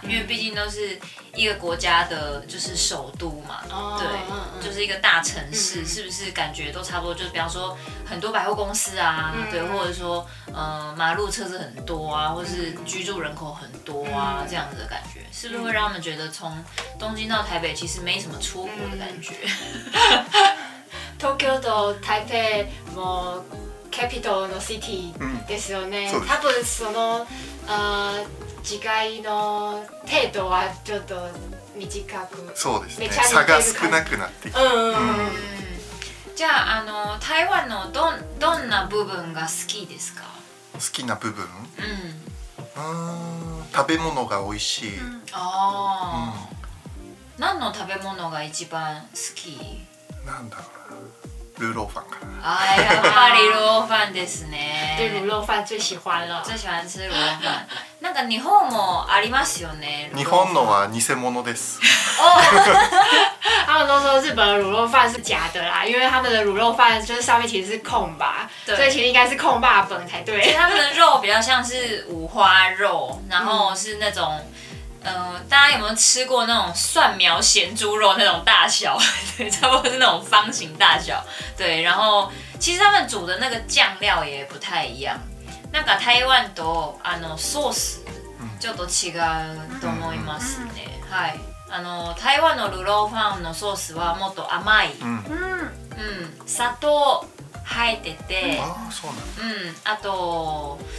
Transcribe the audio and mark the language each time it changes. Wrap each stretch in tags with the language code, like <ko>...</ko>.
<zh>因为毕竟都是一个国家的，就是首都嘛，哦、对、嗯，就是一个大城市、嗯，是不是感觉都差不多？就是比方说很多百货公司啊、嗯，对，或者说马路车子很多啊，或是居住人口很多啊、嗯，这样子的感觉，是不是会让他们觉得从东京到台北其实没什么出国的感觉？嗯、</zh> <ja>東京と台北もキャピトルのシティですよね、うん、す多分その違いの程度はちょっと短く、そうですね、差が少なくなってきて、うんうんうん、じゃあ、 台湾のどんな部分が好きですか？好きな部分、うん、食べ物が美味しい、うん、あ、うん、何の食べ物が一番好き？なんだろうルーローファンかな。あ、やっぱりルーローファンですね。</ja> <zh>で、ルーローファン最喜欢了。最喜欢吃</zh> <ja>ルーローファン。なんか日本もありますよね。日本のは偽物です。</ja> <zh>他们都说日本的卤肉饭是假的啦，因为他们的卤肉饭就是上面其实是空吧，所以其实应该是空霸粉才对。他们的肉比较像是五花肉，然后是那种。大家有没有吃过那种蒜苗咸猪肉那种大小？对，差不多是那种方形大小。对，然后其实他们煮的那个酱料也不太一样。</zh> <ja>なんか台湾とあのソースちょっと違うと思いますね。はい。あの台湾のルーローファンのソースはもっと甘い。うん。砂糖入ってて。ああ、そうなの。うん。あと。</ja>